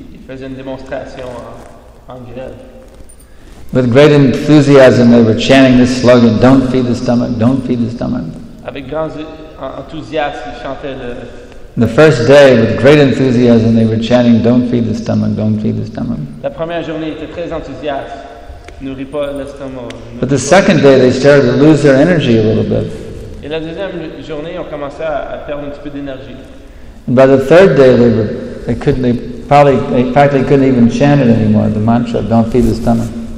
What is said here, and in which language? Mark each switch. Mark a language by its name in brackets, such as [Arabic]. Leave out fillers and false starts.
[French] Une démonstration en grève. [English] With great enthusiasm, they were chanting this slogan: "Don't feed the stomach. Don't feed the stomach." [French] Avec grand enthousiasme, ils chantaient le. [English] The first day, with great enthusiasm, they were chanting: "Don't feed the stomach. Don't feed the stomach." [French] La première journée était très enthousiaste. Nourris pas l'estomac. [English] But the second day, they started to lose their energy a little bit. [French] Et la deuxième journée, ils ont commencé à perdre un petit peu d'énergie. [English] And by the third day, they probably couldn't even chant it anymore, the mantra, "Don't feed the stomach."